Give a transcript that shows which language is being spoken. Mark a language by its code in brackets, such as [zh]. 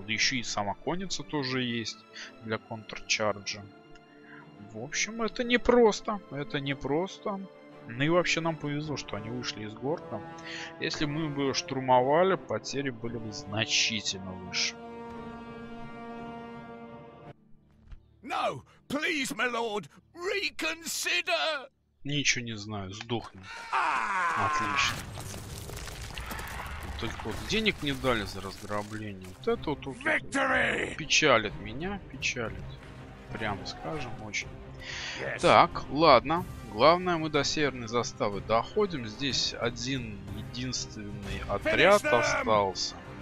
[ru] Да еще и сама конница тоже есть для контрчарджа. В общем, это непросто, это непросто. Ну и вообще нам повезло, что они вышли из города. Если мы бы штурмовали, потери были бы значительно выше. [en] No, please, my lord, reconsider. [ru] Ничего не знаю, сдохни. Отлично. Только вот денег не дали за разграбление. Вот это вот тут [en] Victory! [ru] Печалит меня, печалит. Прямо скажем, очень. Так, ладно. Главное, мы до северной заставы доходим. Здесь один единственный отряд остался.